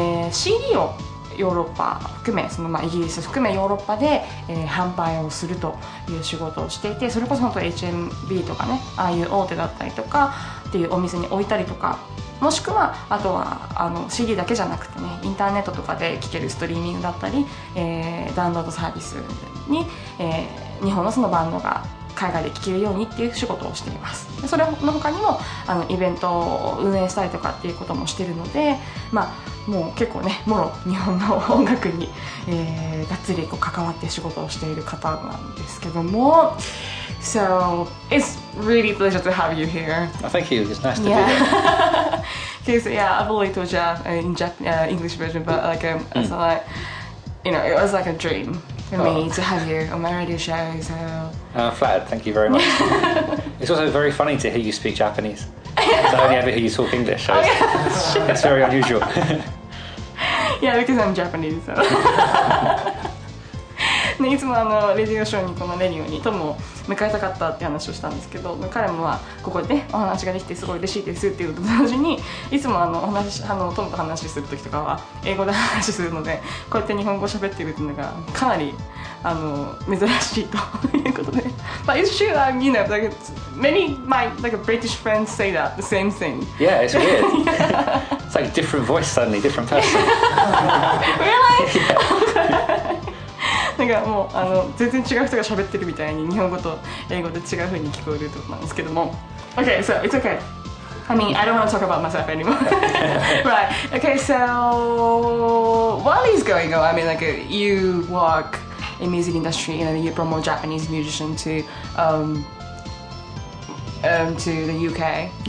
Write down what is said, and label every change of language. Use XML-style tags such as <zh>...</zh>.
<ja>CD をヨーロッパ含め、そのまあイギリス含めヨーロッパで、販売をするという仕事をしていて、それこそ本当 HMB とかね、ああいう大手だったりとかっていうお店に置いたりとか、もしくはあとはあの CD だけじゃなくてね、インターネットとかで聴けるストリーミングだったり、ダウンロードサービスに、日本のそのバンドが海外で聴けるようにっていう仕事をしています。それの他にもあのイベントを運営したりとかっていうこともしてるので、まあもう結構ね、もろ日本の音楽に、がっつりこう関わって仕事をしている方なんですけども。</ja> <en>So, it's really a pleasure to have you here. Thank you, it's nice to be here. Because, yeah, I've only told you in English version, but like, so like, you know, it was like a dream for me to have you on my radio show, so... I'm flattered, thank you very much. It's also very funny to hear you speak Japanese. I only ever hear you talk English, so it's very unusual. Yeah, because I'm Japanese, so...</en> <ja>ね、いつもあのレディオショーにこのレディオにトムを迎えたかったって話をしたんですけど、彼もはここでねお話ができてすごい嬉しいですっていうのと同時に、いつもあの話あのトムと話するときとかは英語で話するので、こうやって日本語喋ってるっていうのがかなりあの珍しいということで、</ja> <en>But it's true, I mean, you know, like, many my like British friends say that the same thing. Yeah, it's weird. It's like a different voice suddenly, different person. Really? Yeah.</en> <ja>なんかもうあの全然違う人が喋ってるみたいに日本語と英語で違う風に聞こえるってことなんですけども。</ja> <en>Okay, so it's okay. I mean, I don't want to talk about myself anymore. Right, okay, so what is going on? I mean, like, you work in music industry, you know, you promote Japanese musician to the UK,</en>